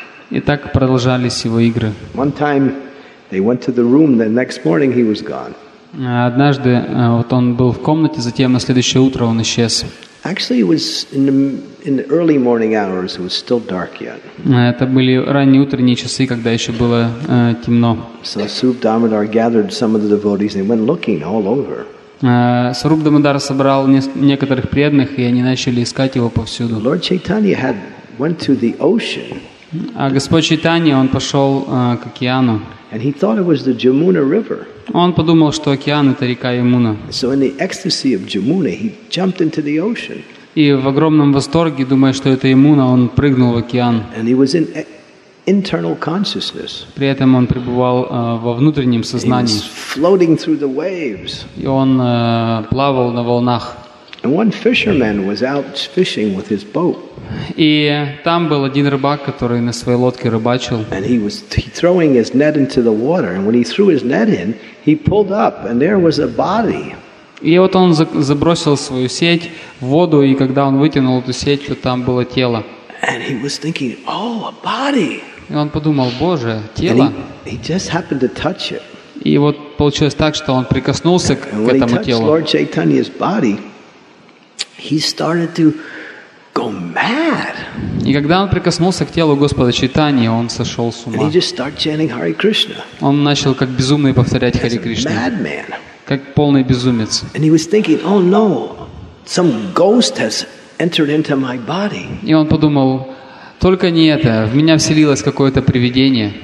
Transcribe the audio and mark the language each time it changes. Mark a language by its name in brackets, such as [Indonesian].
[Russian] И так продолжались его игры. Однажды вот он был в комнате, затем на следующее утро он исчез. [English] Actually, it was in the early morning hours. It was still dark yet. [Russian] Это были ранние утренние часы, когда еще было темно. [English] So Suroop Damodar gathered some of the devotees. They went looking all over. [Russian] Суруп Дамодар собрал некоторых преданных, и они начали искать его повсюду. [English] Lord Chaitanya had went to the ocean. [Russian] А Господь Чайтанья, он пошел к океану. [English] And he thought it was the Jamuna River. [Russian] Он подумал, что океан — это река Ямуна. [English] So in the ecstasy of Jamuna, he jumped into the ocean. [Russian] И в огромном восторге, думая, что это Ямуна, он прыгнул в океан. [English] And he was in internal consciousness. [Russian] При этом он пребывал во внутреннем сознании. [English] He was floating through the waves. [Russian] И он плавал на волнах. [English] And one fisherman was out fishing with his boat. [Russian] И там был один рыбак, который на своей лодке рыбачил. [English] And he was throwing his net into the water, and when he threw his net in, he pulled up, and there was a body. [Russian] И вот он забросил свою сеть в воду, и когда он вытянул эту сеть, то там было тело. [English] And he was thinking, "Oh, a body." [Russian] И он подумал: "Боже, тело." [English] And he just happened to touch it. [Russian] И вот получилось так, что он прикоснулся к этому телу. [English] And when he touched Lord Chaitanya's body, he started to go mad. [Russian] И когда он прикоснулся к телу Господа Чайтаньи, он сошел с ума. [English] And he just started chanting Hare Krishna. [Russian] Он начал как безумный повторять Харе Кришна. [English] Madman. [Russian] Как полный безумец. [English] And he was thinking, "Oh no, some ghost has entered into my body." [Russian] И он подумал: только не это, в меня вселилось какое-то привидение.